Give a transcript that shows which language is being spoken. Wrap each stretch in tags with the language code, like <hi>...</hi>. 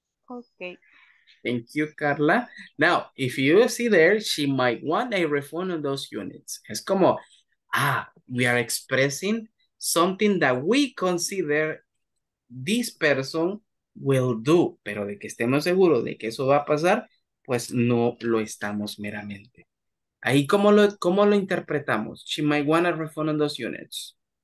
<en>Okay. Thank you, Carla. Now, if you see there, she might want a refund on those units.</en> <es>Es como, ah,</es> <en>we are expressing something that we consider this person will do.</en> <es>Pero de que estemos seguros de que eso va a pasar, pues no lo estamos meramente. Ahí, ¿cómo lo interpretamos?</es> <en>She might want a refund on those units.</en>